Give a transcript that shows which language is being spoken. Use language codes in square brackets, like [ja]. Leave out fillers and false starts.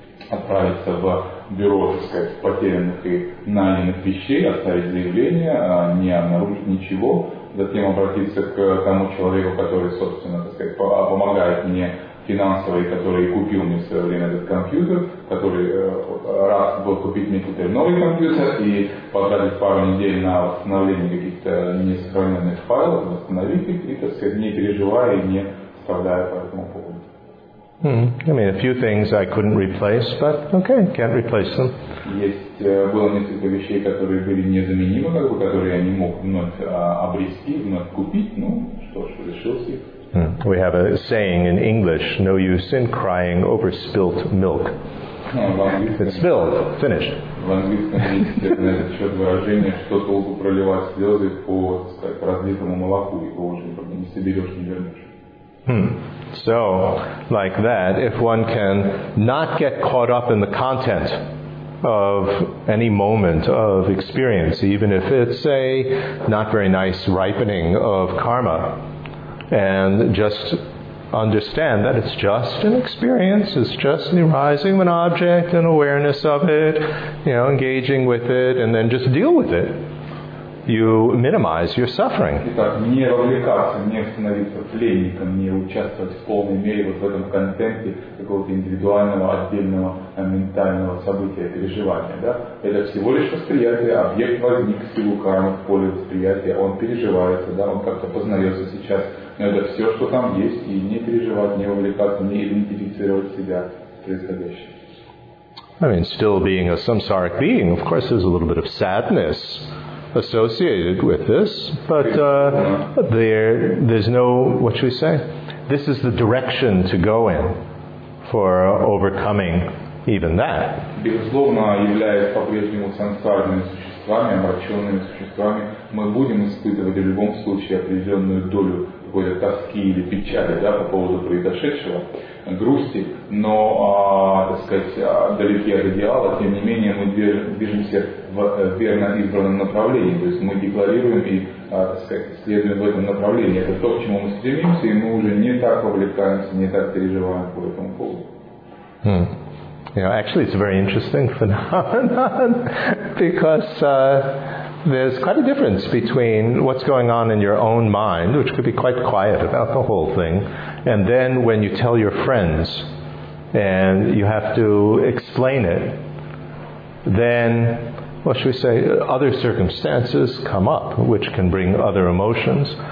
[ru] Отправиться в бюро, так сказать, потерянных и найденных вещей, оставить заявление, не обнаружить ничего, затем обратиться к тому человеку, который, собственно, так сказать, помогает мне финансово и который купил мне в свое время этот компьютер, который раз был купить мне теперь новый компьютер и потратить пару недель на восстановление каких-то несохраненных файлов, восстановить их и, так сказать, не переживая и не страдая по этому поводу. [en] I mean, a few things I couldn't replace, but okay, can't replace them. [ru] Есть было несколько вещей, которые были незаменимы, как бы, которые я не мог вновь обрести, вновь купить, ну, что ж, решился их. [en] We have a saying in English, no use in crying over spilt milk. It's spilled, finished. [ru] В английском есть на этот счет выражение, что толку проливать слезы по, так сказать, разлитому молоку, его уже не соберешь, не вернешь. [en] So, like that, if one can not get caught up in the content of any moment of experience, even if it's a not very nice ripening of karma, and just understand that it's just an experience, it's just the arising of an object, an awareness of it, you know, engaging with it, and then just deal with it. You minimize your suffering. [ru] Итак, не развлекаться, не становиться пленником, не участвовать в полной мере вот в этом контенте какого-то индивидуального, отдельного ментального события, переживания, да? Это всего лишь восприятие, объект возник, силу кармы в поле восприятия, он переживается, да, он как-то познается сейчас. Но это все, что там есть, и не переживать, не увлекаться, не идентифицировать себя с происходящим. [en] I mean, still being a samsaric being, of course, there's a little bit of sadness associated with this, but there's no, what should we say? This is the direction to go in for overcoming even that. [ru] Безусловно, являясь по-прежнему сансарными существами, омраченными существами, мы будем испытывать в любом случае определенную долю какой-то тоски или печали, да, по поводу произошедшего, грусти, но, так сказать, далеки от идеала, тем не менее мы движемся в верно избранном направлении, то есть мы декларируем и, так сказать, следуем в этом направлении. Это то, к чему мы стремимся, и мы уже не так вовлекаемся, не так переживаем по этому поводу. [en] You know, actually, it's a very interesting phenomenon because there's quite a difference between what's going on in your own mind, which could be quite quiet about the whole thing, and then when you tell your friends and you have to explain it, then, what should we say, other circumstances come up which can bring other emotions.